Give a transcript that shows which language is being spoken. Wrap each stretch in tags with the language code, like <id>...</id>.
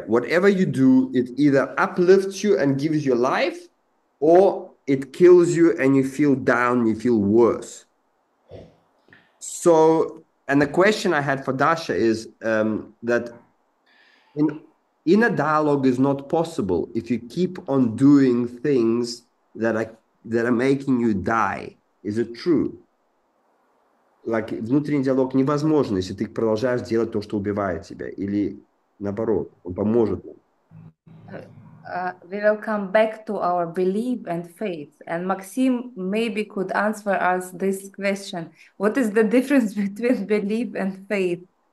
<en>Whatever you do, it either uplifts you and gives you life, or it kills you and you feel down, you feel worse. So, and the question I had for Dasha is that inner dialogue is not possible if you keep on doing things that are making you die. Is it true?</en> <ru>Like, внутренний диалог невозможен, если ты продолжаешь делать то, что убивает тебя, или наоборот, он поможет вам.</ru> <en>We will come back to our belief and faith. And Maxim maybe could answer us this question. What is the difference between belief and faith?</en>